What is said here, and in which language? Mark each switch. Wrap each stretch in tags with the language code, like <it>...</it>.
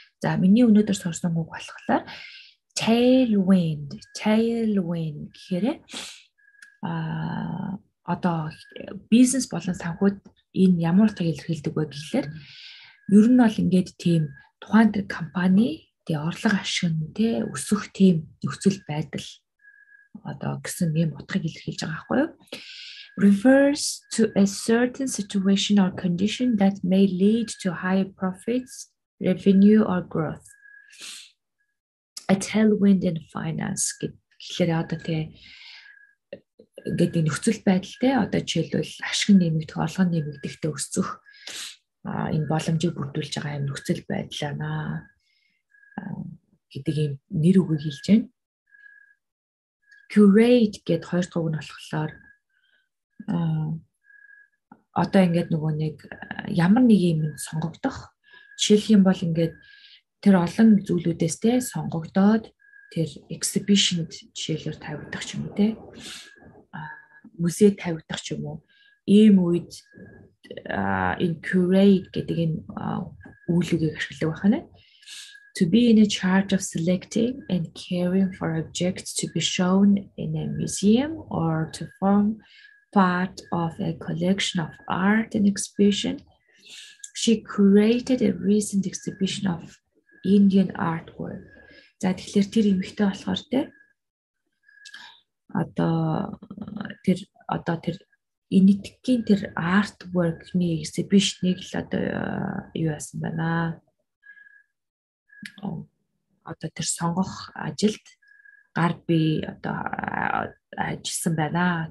<mn>За миний өнөөдөр сонссон үг болохоор tailwind гэхээр одоо бизнес болон санхүүд энэ ямар утга илэрхийлдэг вэ гэхээр ер нь бол ингээд тийм тухайн тэр компани тий орлого ашиг нь тий өсөх тийм нөхцөл байдал одоо гэсэн юм утгыг илэрхийлж байгаа байхгүй юу?</mn> <en>Refers to a certain situation or condition that may lead to high profits, revenue or growth. A tailwind in finance</en> <mn>гэхээр одоо тий ингээд нөхцөл байдал тий одоо жишээлбэл ашиг нэмэгдэх, олго нэмэгдэхтэй өсөх энэ боломжийг бүрдүүлж байгаа юм нөхцөл байдал анаа гэдэг юм нэр үгийг хэлж байна. Curate гэд хоёр дахь үг нь болохоор одоо ингээд нөгөө нэг ямар нэг юм сонгогдох. Жишээлх юм бол ингээд тэр олон зүйлүүдээс те сонгогдоод тэр exhibition жишээлээр тавигдах ч юм те. Музей тавигдах ч юм уу. Ийм үед in curate гэдэг энэ үйлүүдийг ашигладаг байна.</mn> <en>To be in a charge of selecting and caring for objects to be shown in a museum or to form part of a collection of art and exhibition. She created a recent exhibition of Indian artwork.</en> <mn>За тэгэхээр тэр эмэгтэй болохоор те одоо тэр энэтхэгийн тэр artwork-ний exhibition-ыг л одоо юу яасан байна. Одоо тэр сонгох ажилд гар би одоо ажилласан байна.</mn>